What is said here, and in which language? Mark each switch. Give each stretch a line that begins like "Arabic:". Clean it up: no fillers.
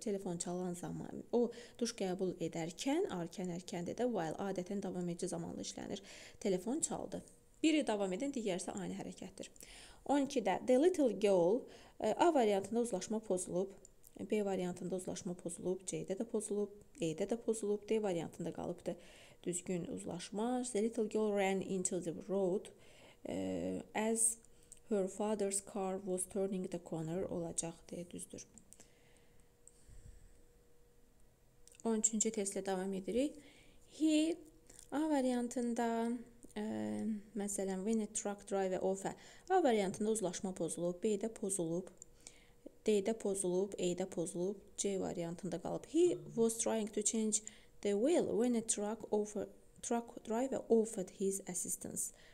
Azerbaijani: Telefon çalan zaman, o duş qəbul edərkən, arkən, ərkən dedə, while adətən davam edici zamanlı işlənir, telefon çaldı. Biri davam edən, digərisi ani hərəkətdir. 12-də,
English: the little girl,
Azerbaijani: A variantında uzlaşma pozulub, B variantında uzlaşma pozulub, C-də də pozulub, E-də də pozulub, D variantında qalıbdır düzgün uzlaşma.
English: The little girl ran into the road as her father's car was turning the corner
Azerbaijani: olacaq deyə düzdür. 13-cü testlə davam edirik. He A variantında məsələn
English: when a truck drive off
Azerbaijani: A variantında uzlaşma pozulub, B-də pozulub, D-də pozulub, E-də pozulub, C variantında qalıb.
English: He was trying to change the wheel when a truck driver offered his assistance.